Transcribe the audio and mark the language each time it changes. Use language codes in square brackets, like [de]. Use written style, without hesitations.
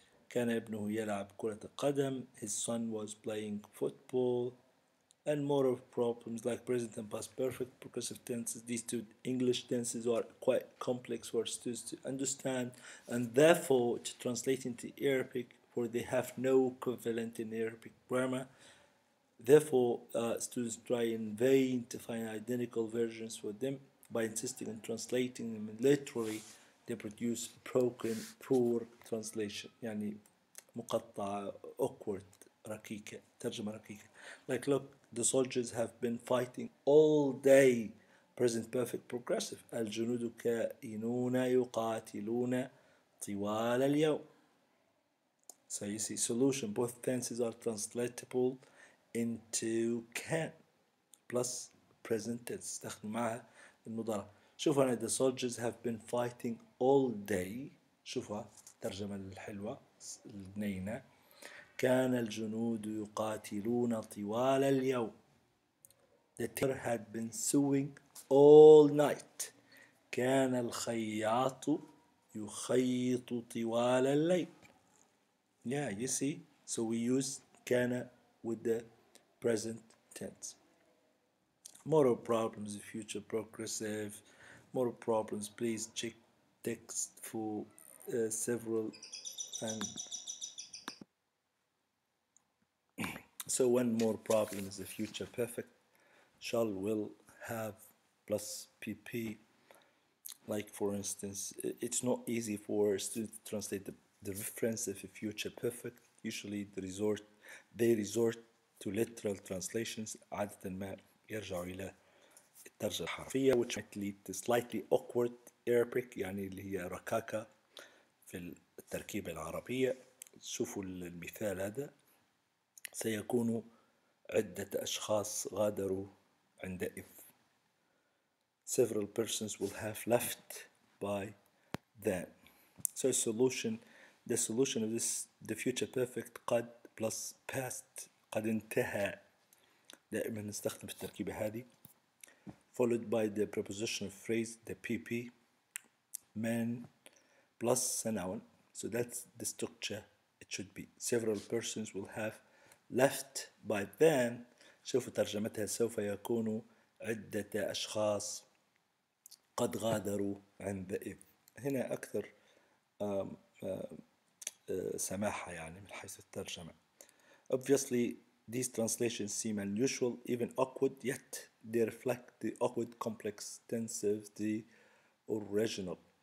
[ar] كان ابنه يلعب كرة قدم, [en] his son was playing football, and more of problems like present and past perfect, progressive tenses, these two English tenses are quite complex for students to understand, and therefore to translate into Arabic, for they have no equivalent in Arabic grammar. Therefore, students try in vain to find identical versions for them. By insisting on translating them literally, they produce broken, poor translation. [ar] يعني مقطع, [en] awkward, [ar] ركيكة, ترجمة ركيكة. [en] Like, look, the soldiers have been fighting all day. Present perfect progressive. [ar] الجنود كائنون يقاتلون طوال اليوم. [en] So you see, solution. Both tenses are translatable into can plus present tense. [ar] استخدم معها المضارع. شوفوا أنا, [en] the soldiers have been fighting all day. [ar] شوفوا ترجمة الحلوة النينة. كان الجنود يقاتلون طوال اليوم. [en] The tailor had been sewing all night. [ar] كان الخياط يخيط طوال الليل. [en] Yeah, you see. So we use كان with the present tense. More problems in future progressive. More problems. Please check text for several and. So one more problem is the future perfect. Shall, will, have, plus PP. Like, for instance, it's not easy for students to translate the reference of a future perfect. Usually they resort to literal translations. [ar] عادة ما يرجعوا إلى الترجمة الحرفية, [en] which might lead to slightly awkward Arabic, [ar] يعني اللي هي ركاكة في التركيبة العربية. شوفوا المثال هذا. سيكون عدة أشخاص غادروا عندئذ. [en] Several persons will have left by then. So solution, the solution of this, the future perfect قد plus past, قد انتهى. [ar] دائما نستخدم في التركيبة هذه. [en] Followed by the prepositional phrase, the PP, man plus noun. So that's the structure it should be. Several persons will have left by then. [ar] شوفوا ترجمتها, سوف يكون عدة أشخاص قد غادروا عندئذ. هنا أكثر سماحة يعني من حيث الترجمة. [en] Obviously, these translations seem unusual, even awkward, yet they reflect the awkward complex tense of the original.